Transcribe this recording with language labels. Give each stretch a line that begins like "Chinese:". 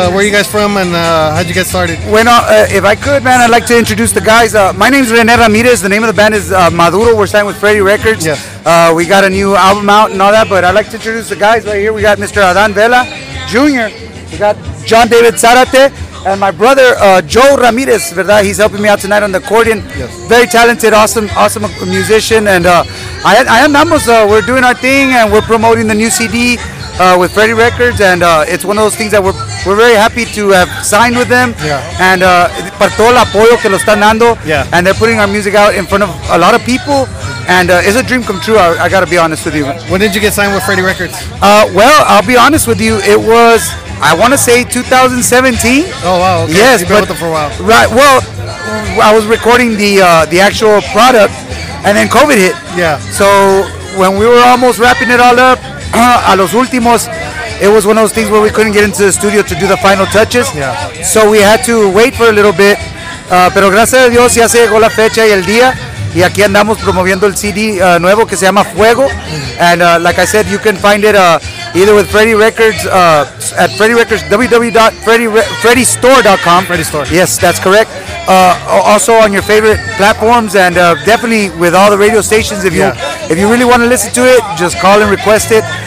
English: Where are you guys from, and how'd you get started? If I could, man, I'd like to introduce the guys. My name's Rene Ramirez. The name of the band is Maduro. We're signed with Freddy Records. Yeah. We got a new album out and all that, but I'd like to introduce the guys right here. We got Mr. Adan Vela Jr. We got John David Zarate. And my brother, Joe Ramirez, ¿verdad? He's helping me out tonight on the accordion. Yes. Very talented, awesome musician. And I am Namos. We're doing our thing, and we're promoting the new CD with Freddy Records. And it's one of those things that we're very happy to have signed with them. Yeah.
Spanish: And por todo el apoyo que lo están dando.
English: Yeah. And they're putting our music out in front of a lot of people. And it's a dream come true, I got to be honest with you. When did you get signed with Freddy Records? Well, I'll be honest with you. It was, I want to say 2017. Oh, wow. Okay. Yes. You've been with them for a while. Right. Well, I was recording the actual product, and then COVID hit. Yeah. So when we were almost wrapping it all up,
Spanish: a los últimos,
English: it was one of those things where we couldn't get into the studio to do the final touches. Yeah. So we had to wait for a little bit.
Spanish: Pero gracias a Dios ya se llegó la fecha y el día. Y aquí andamos promoviendo el CD nuevo que se llama Fuego.
English: And like I said, you can find it either with Freddy Records at Freddy Records, www.freddystore.com. Freddy Store. Yes, that's correct. Also on your favorite platforms, and definitely with all the radio stations. If you really want to listen to it, just call and request it.